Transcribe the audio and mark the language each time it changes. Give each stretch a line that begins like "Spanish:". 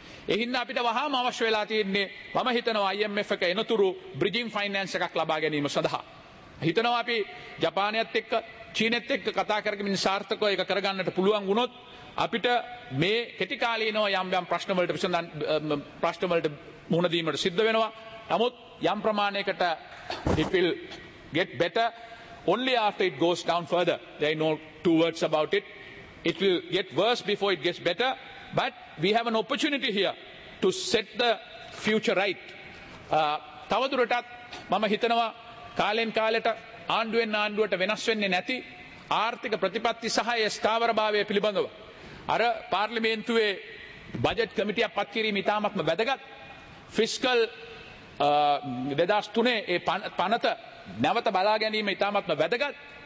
Sinhala: එහින්දා අපිට වහාම අවශ්‍ය වෙලා තියෙන්නේ මම හිතනවා IMF එක එනතුරු බ්‍රිජින් ෆයිනෑන්ස් එකක් ලබා ගැනීම සඳහා. හිතනවා අපි ජපානයත් එක්ක චීනෙත් එක්ක කතා කරගෙන සාර්ථකව ඒක කරගන්නට පුළුවන් වුණොත් අපිට මේ කෙටි කාලීනව යම් ප්‍රශ්නවලට මුහුණදීමට සිද්ධ වෙනවා. නමුත් යම් ප්‍රමාණයකට
English: it will get better only after it goes down further. There are no two words about it. It will get worse before it gets better. But we have an opportunity here to set the future right.
Sinhala: තවදුරටත් මම හිතනවා කාලෙන් කාලෙට ආණ්ඩුවෙන් ආණ්ඩුවට වෙනස් වෙන්නේ නැති ආර්ථික ප්‍රතිපත්ති සහය ස්ථාවරභාවය පිළිබඳව අර පාර්ලිමේන්තුවේ බජට් කමිටියක් පත් කිරීම ඉතාමත්ම වැදගත්. ෆිස්කල් 2003 ඒ පනත නැවත බලා ගැනීම ඉතාමත්ම වැදගත්.